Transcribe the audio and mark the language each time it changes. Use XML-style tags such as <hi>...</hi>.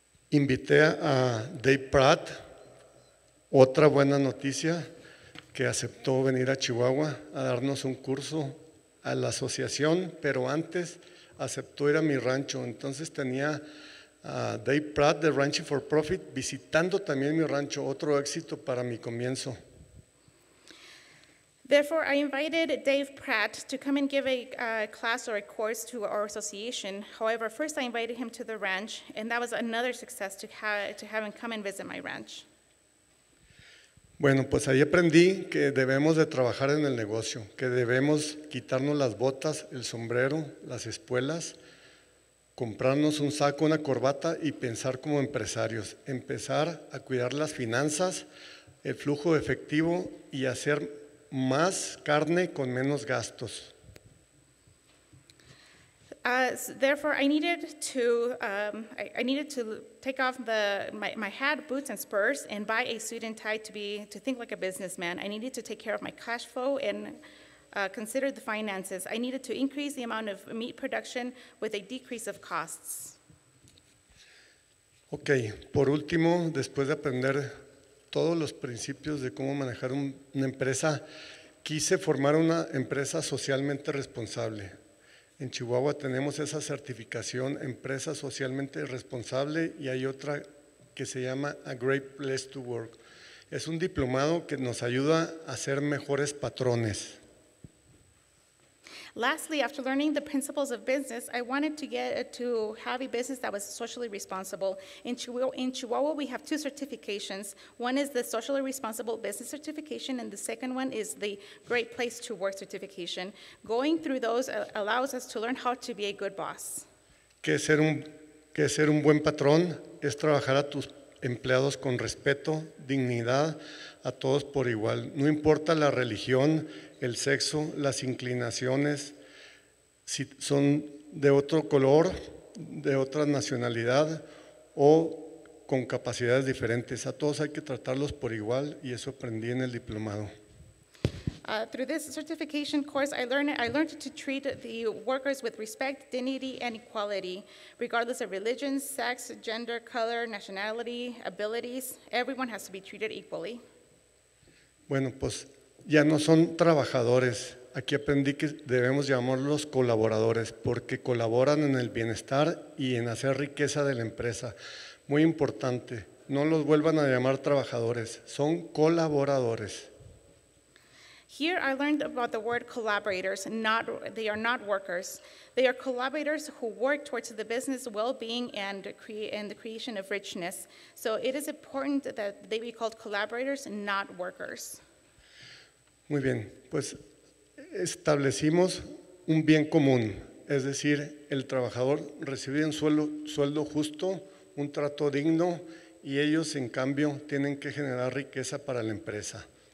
<es>Invité a Dave Pratt, otra buena noticia, que aceptó venir a Chihuahua a darnos un curso a la asociación, pero antes aceptó ir a mi rancho. Entonces tenía Dave Pratt, de Ranching for Profit, visitando también mi rancho, otro éxito para mi comienzo.</es> <en>Therefore, I invited Dave Pratt to come and give a class or a course to our association. However, first I invited him to the ranch, and that was another success to have him come and visit my ranch.</en> <es>Bueno, pues ahí aprendí que debemos de trabajar en el negocio, que debemos quitarnos las botas, el sombrero, las espuelas, comprarnos un saco, una corbata y pensar como empresarios, empezar a cuidar las finanzas, el flujo de efectivo y hacer más carne con menos gastos.</es> <en>Therefore, I needed to take off my hat, boots, and spurs, and buy a suit and tie to think like a businessman. I needed to take care of my cash flow and consider the finances. I needed to increase the amount of meat production with a decrease of costs. Okay.</en> <es>Por último, después de aprender todos los principios de cómo manejar una empresa, quise formar una empresa socialmente responsable. En Chihuahua tenemos esa certificación, empresa socialmente responsable, y hay otra que se llama A Great Place to Work. Es un diplomado que nos ayuda a ser mejores patrones.</es> <en>Lastly, after learning the principles of business, I wanted to have a business that was socially responsible. In Chihuahua, we have two certifications. One is the socially responsible business certification, and the second one is the Great Place to Work certification. Going through those allows us to learn how to be a good boss.</en> <es>Que ser un buen patrón es trabajar a tus empleados con respeto, dignidad, a todos por igual. No importa la religión, el sexo, las inclinaciones, si son de otro color, de otra nacionalidad o con capacidades diferentes. A todos hay que tratarlos por igual y eso aprendí en el diplomado.</es> <en>Through this certification course, I learned to treat the workers with respect, dignity, and equality, regardless of religion, sex, gender, color, nationality, abilities. Everyone has to be treated equally.</en> <es>Bueno, pues ya no son trabajadores. Aquí aprendí que debemos llamarlos colaboradores porque colaboran en el bienestar y en hacer riqueza de la empresa. Muy importante, no los vuelvan a llamar trabajadores, son colaboradores.</es> <en>Here I learned about the word collaborators. They are not workers. They are collaborators who work towards the business well-being and the creation of richness. So it is important that they be called collaborators, not workers.</en> <es>Muy bien. Pues establecimos un bien común, es decir, el trabajador recibe un sueldo justo, un trato digno, y ellos, en cambio, tienen que generar riqueza para la empresa.</es>